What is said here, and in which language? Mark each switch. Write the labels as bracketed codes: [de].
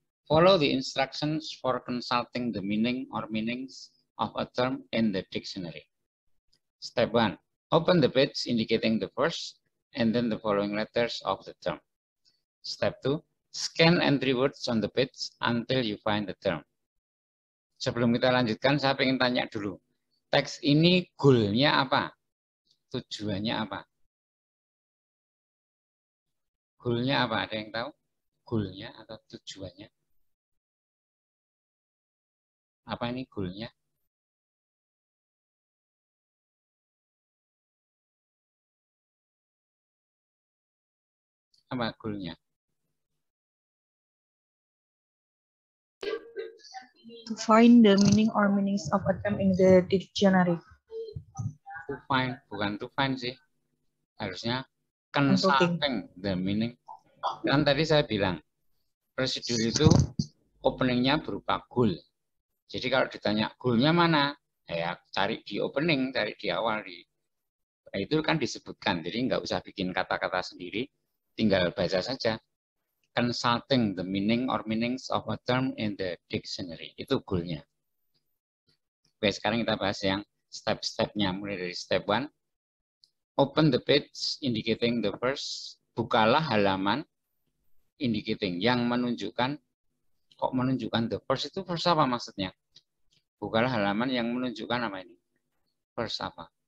[en] Follow the instructions for consulting the meaning or meanings of a term in the dictionary. Step 1. Open the page indicating the first and then the following letters of the term. Step 2. Scan entry words on the page until you find the term. [id] Sebelum kita lanjutkan, saya ingin tanya dulu. Teks ini goal-nya apa? Tujuannya apa? Goal-nya apa? Ada yang tahu? Goal-nya atau tujuannya? Apa ini goal-nya? Apa goal-nya? [en] To find the meaning or meanings of a term in the dictionary. [id] To find, bukan to find sih. Harusnya [en] consulting the meaning. [id] Kan tadi saya bilang, prosedur itu openingnya berupa goal. Jadi kalau ditanya goalnya mana, ya cari di opening, cari di awal. Itu kan disebutkan, jadi nggak usah bikin kata-kata sendiri, tinggal baca saja. [en] Consulting the meaning or meanings of a term in the dictionary. [id] Itu goalnya. Oke, sekarang kita bahas yang step-stepnya. Mulai dari [en] step 1. Open the page indicating the first. [id] Bukalah halaman indicating yang menunjukkan. Kok menunjukkan [en] the first [id] itu first apa maksudnya? Bukalah halaman yang menunjukkan apa ini? First apa?